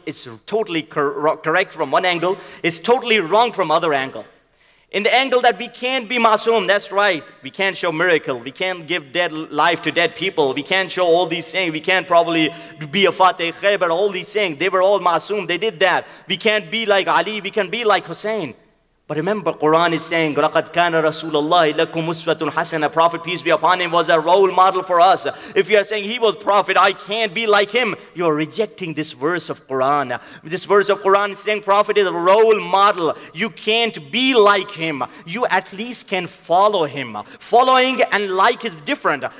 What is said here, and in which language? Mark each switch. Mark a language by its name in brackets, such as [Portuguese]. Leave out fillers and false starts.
[English] It's totally correct from one angle. It's totally wrong from other angle. In the angle that we can't be masoom, that's right. We can't show miracle. We can't give dead life to dead people. We can't show all these things. We can't probably be a Fateh Khaybar, all these things. They were all masoom. They did that. We can't be like Ali. We can't be like Hussein. But remember, Quran is saying, [Arabic] لَقَدْ كَانَ رَسُولَ اللَّهِ لَكُمْ مُسْوَةٌ حَسَنَةٌ. [English] Prophet, peace be upon him, was a role model for us. If you are saying he was Prophet, I can't be like him, you are rejecting this verse of Quran. This verse of Quran is saying Prophet is a role model. You can't be like him. You at least can follow him. Following and like is different.